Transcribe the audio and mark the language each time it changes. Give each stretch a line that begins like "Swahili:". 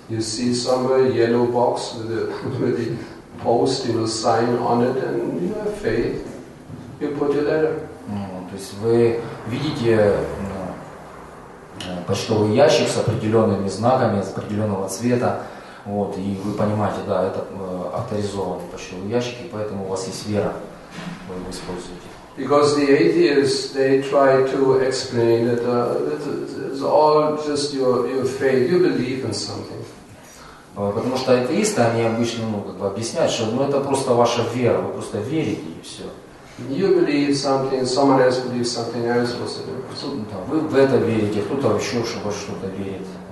English: You see somewhere yellow box with the post, you know, sign on it, and you have faith. You put your letter.
Russian: То есть вы видите почтовый ящик с определенными знаками, с определенного цвета. Вот, и вы понимаете, да, это авторизованный почтовый ящик, и поэтому у вас есть вера, вы его используете.
English: Because the atheists, they try to explain that it's all just your faith, you believe in something.
Russian: Потому что атеисты, они обычно объясняют, что это просто ваша вера, вы просто верите, и все.
English: You believe something, someone else believes something else, what's the difference?
Russian: Да, вы в это верите, кто-то еще во что-то верит.